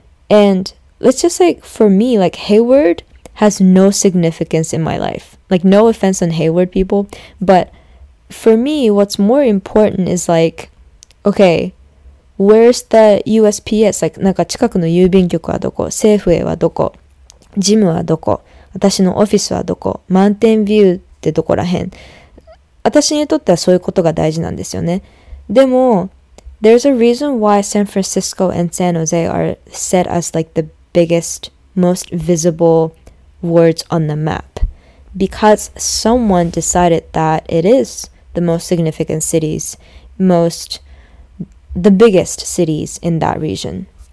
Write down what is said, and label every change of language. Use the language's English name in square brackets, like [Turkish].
[English] And let's just say for me, like Hayward... has no significance in my life. Like, no offense on Hayward people, but for me, what's more important is like, okay, where's the USPS? [Japanese] Like, なんか近くの郵便局はどこ?セーフウェイはどこ? ジムはどこ?私のオフィスはどこ?マウンテンビューってどこら辺? 私にとってはそういうことが大事なんですよね。 [English] でも、there's a reason why San Francisco and San Jose are set as like the biggest, most visible words on the map. Because someone decided that it is the most significant cities, most, the biggest cities in that region.